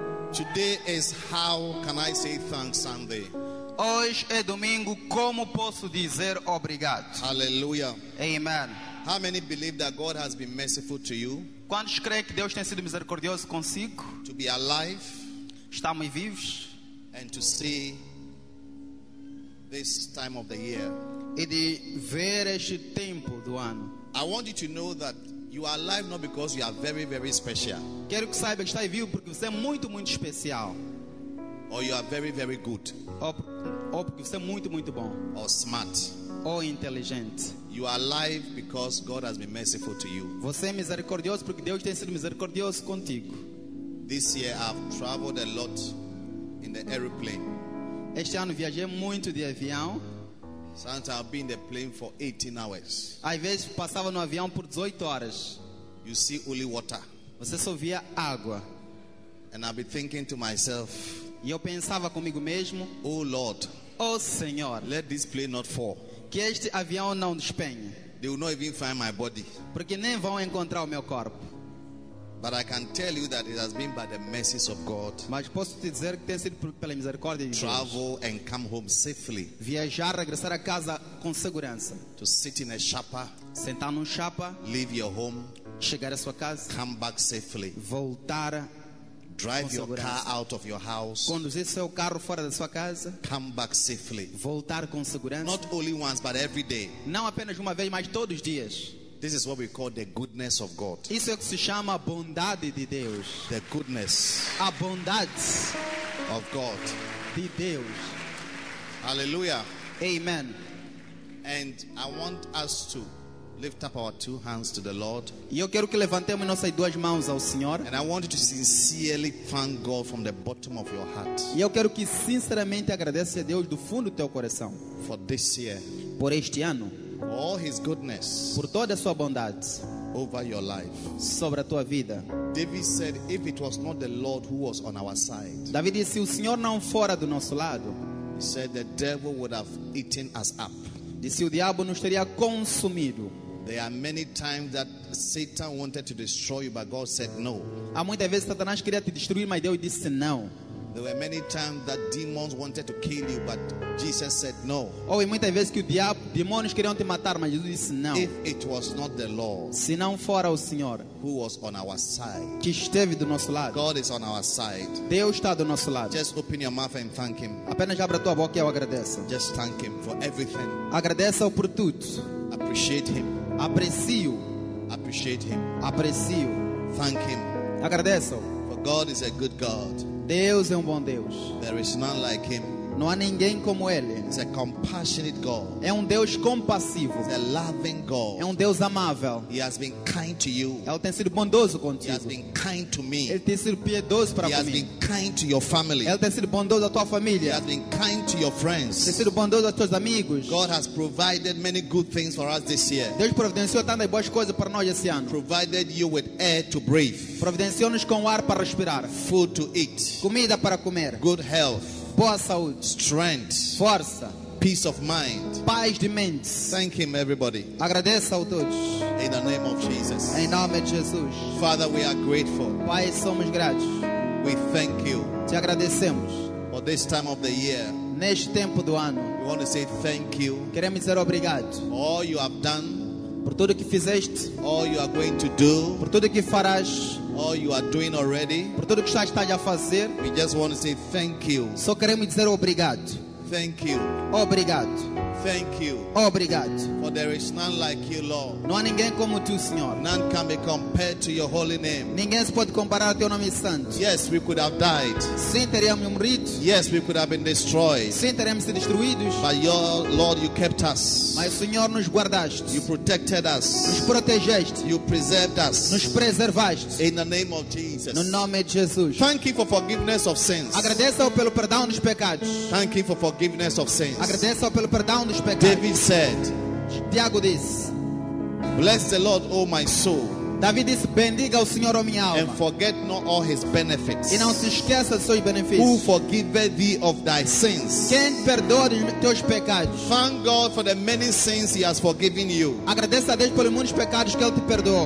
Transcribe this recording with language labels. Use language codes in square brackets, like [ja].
[en] Today is how can I say thanks Sunday? [pt] Hoje é domingo, como posso dizer obrigado? [en] Hallelujah. Amen. How many believe that God has been merciful to you? [pt] Quantos creem que Deus tem sido misericordioso consigo? [en] To be alive. [pt] Estamos vivos. [en] And to see this time of the year. [pt] E de ver este tempo do ano. [en] I want you to know that you are alive not because you are very, very special. [pt] Quero que saiba que está vivo porque você é muito, muito especial. [en] Or you are very, very good. [pt] Ou porque você é muito, muito bom. [en] Or smart. [pt] Ou inteligente. [en] You are alive because God has been merciful to you. [pt] Você é misericordioso porque Deus tem sido misericordioso contigo. [en] This year I've traveled a lot in the aeroplane. [pt] Este ano viajei muito de avião. [en] Sometimes I've been in the plane for 18 hours. [pt] Às vezes passava no avião por 18 horas. [en] You see only water. [pt] Você só via água. [en] And I'd be thinking to myself. [pt] E eu pensava comigo mesmo. [en] Oh Lord. [pt] Oh Senhor. [en] Let this plane not fall. [pt] Que este avião não despenhe. [en] They will not even find my body. [pt] Porque nem vão encontrar o meu corpo. [en] But I can tell you that it has been by the mercies of God. [pt] Mas posso te dizer que tem sido pela misericórdia de Deus. [en] Travel and come home safely. [pt] Viajar, regressar a casa com segurança. [en] To sit in a chapa. [pt] Sentar num chapa. [en] Leave your home. [pt] Chegar à sua casa. [en] Come back safely. [pt] Voltar. [en] Drive [pt] com [en] your car out of your house. [pt] Conduzir seu carro fora da sua casa. [en] Come back safely. [pt] Voltar com segurança. [en] Not only once, but every day. [pt] Não apenas uma vez, mas todos os dias. [en] This is what we call the goodness of God. [pt] Isso é que se chama a bondade de Deus. [en] The goodness. [pt] A bondade [en] of God. [pt] De Deus. [en] Hallelujah. Amen. And I want us to lift up our two hands to the Lord. [pt] E eu quero que levantemos nossas duas mãos ao Senhor. [en] And I want you to sincerely thank God from the bottom of your heart. [pt] E eu quero que sinceramente agradeça a Deus do fundo do teu coração. [en] For this year. [pt] Por este ano. [en] All his goodness. [pt] Por toda a sua bondade. [en] Over your life. [pt] Sobre a tua vida. [en] David said, if it was not the Lord who was on our side. [pt] David disse, se o Senhor não fora do nosso lado. [en] He said the devil would have eaten us up. [pt] Disse, o diabo nos teria consumido. [en] There are many times that Satan wanted to destroy you, but God said no. [pt] Há muitas vezes Satanás queria te destruir, mas Deus disse não. [en] There were many times that demons wanted to kill you, but Jesus said no. [pt] Ou muitas vezes que o diabo, demônios queriam te matar, mas Jesus disse não. [en] If it was not the Lord, [pt] se não fora o Senhor, [en] who was on our side, [pt] que esteve do nosso lado, [en] God is on our side. [pt] Deus está do nosso lado. [en] Just open your mouth and thank Him. [pt] Apenas abra tua boca e eu agradeço. [en] Just thank Him for everything. [pt] Agradeça-o por tudo. [en] Appreciate Him. [pt] Aprecio. [en] Appreciate Him. [pt] Aprecio. [en] Thank Him. [pt] Agradeço. [en] For God is a good God. [pt] Deus é bom Deus. [en] There is none like Him. [pt] Não há ninguém como Ele. [en] He's a compassionate God. [pt] É Deus compassivo. [en] He's a loving God. [pt] É Deus amável. [en] He has been kind to you. [pt] Ele tem sido bondoso contigo. [en] He has been kind to me. [pt] Ele tem sido piedoso para mim. [en] He has been kind to your family. [pt] Ele tem sido bondoso à tua família. [en] He has been kind to your friends. [pt] Ele tem sido bondoso aos teus amigos. [en] God has provided many good things for us this year. [pt] Deus providenciou tantas boas coisas para nós esse ano. [en] Provided you with air to breathe. [pt] Providenciou-nos com ar para respirar. [en] Food to eat. [pt] Comida para comer. [en] Good health. [pt] Boa saúde. [en] Strength. [pt] Força. [en] Peace of mind. [pt] Paz de mente. [en] Thank Him, everybody. [pt] Agradeça a todos. [en] In the name of Jesus. [pt] Em nome de Jesus. [en] Father, we are grateful. [pt] Pai, somos gratos. [en] We thank you. [pt] Te agradecemos. [en] For this time of the year. [pt] Neste tempo do ano. [en] We want to say thank you. [pt] Queremos dizer obrigado. [en] All you have done. [pt] Por tudo que fizeste. [en] All you are going to do. [pt] Por tudo que farás. [en] All you are doing already. [pt] Por tudo que estás a fazer. [en] We just want to say thank you. [pt] Só queremos dizer obrigado. [en] Thank you. [pt] Obrigado. [en] Thank you. [pt] Obrigado. [en] For there is none like you, Lord. [pt] Não há ninguém como tu, Senhor. [en] None can be compared to your holy name. [pt] Ninguém se pode comparar ao teu nome santo. [en] Yes, we could have died. [pt] Sim, teríamos morrido. [en] Yes, we could have been destroyed. [pt] Sim, teríamos sido destruídos. [en] But your Lord, you kept us. [pt] Mas o Senhor nos guardaste. [en] You protected us. [pt] Nos protegeste. [en] You preserved us. [pt] Nos preservaste. [en] In the name of Jesus. [pt] No nome de Jesus. [en] Thank you for forgiveness of sins. [pt] Agradeça-o pelo perdão dos pecados. [en] Thank you for forgiveness of sins. [pt] Agradeça-o pelo perdão dos pecados. [en] David said, [pt] Tiago diz, [en] bless the Lord, O my soul. [pt] David diz, bendiga o Senhor, ó minha alma. [en] And forget not all his benefits. [pt] E não se esqueça de seus benefícios. [en] Who forgiveth thee of thy sins? [pt] Quem perdoa os teus pecados? [en] Thank God for the many sins he has forgiven you. [pt] Agradeça a Deus pelos muitos pecados que ele te perdoou.